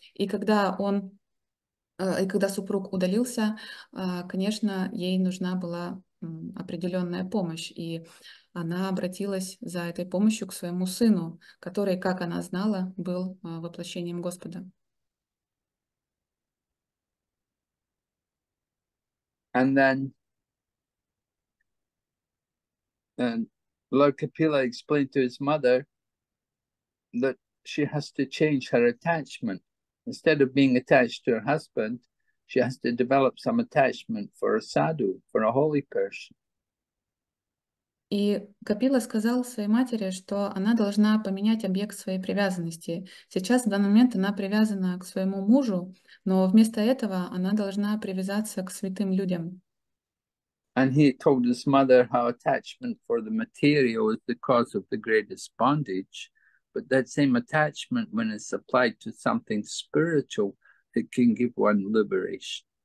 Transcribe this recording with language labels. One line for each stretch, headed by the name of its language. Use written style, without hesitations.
Russian: И когда он И когда супруг удалился, конечно, ей нужна была определенная помощь, и она обратилась за этой помощью к своему сыну, который, как она знала, был воплощением Господа.
English: And then Lord Kapila explained to his mother that she has to change her attachment. Instead of being attached to her husband, she has to develop some attachment for a sadhu, for a holy person.
Russian: И Капила сказал своей матери, что она должна поменять объект своей привязанности. Сейчас, в данный момент, она привязана к своему мужу, но вместо этого она должна привязаться к святым людям.
English: And he told his mother how attachment for the material is the cause of the greatest bondage. But that same attachment, when it's applied to something spiritual, it can give one liberation.